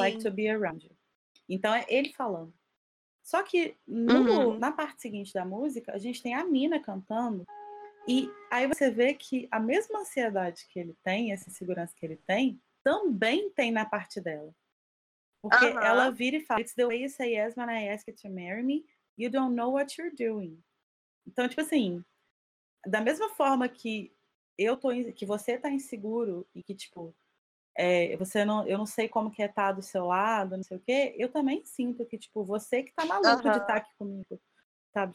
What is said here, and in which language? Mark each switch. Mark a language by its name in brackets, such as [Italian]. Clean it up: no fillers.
[English] like to be around you". [Portuguese] Então é ele falando. Só que no, uhum. na parte seguinte da música, a gente tem a Mina cantando. E aí você vê que a mesma ansiedade que ele tem, essa insegurança que ele tem, também tem na parte dela. Porque uhum. ela vira e fala: [English] "It's the way you say yes when I ask you to marry me. You don't know what you're doing". [Portuguese] Então, tipo assim, da mesma forma que você tá inseguro e que, tipo, Eu não sei como que é estar do seu lado, não sei o quê. Eu também sinto que, tipo, você que tá maluco de estar aqui comigo, sabe?